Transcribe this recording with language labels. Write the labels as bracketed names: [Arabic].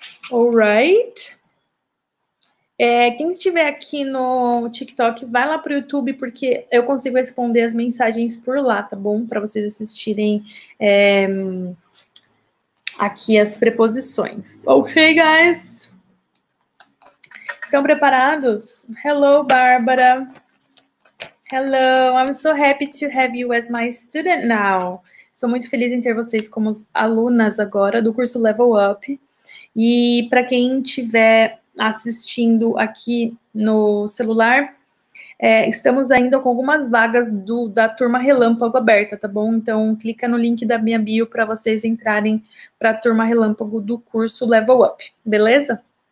[English] All right. [Portuguese] É, quem estiver aqui no TikTok, vai lá para o YouTube, porque eu consigo responder as mensagens por lá, tá bom? Para vocês assistirem aqui as preposições. [English] Ok, guys? [Portuguese] Estão preparados? [English] Hello, Barbara. Hello, I'm so happy to have you as my student now. [Portuguese] Sou muito feliz em ter vocês como alunas agora do curso Level Up. E para quem estiver assistindo aqui no celular, estamos ainda com algumas vagas da turma Relâmpago aberta, tá bom? Então, clica no link da minha bio para vocês entrarem para a turma Relâmpago do curso Level Up, beleza?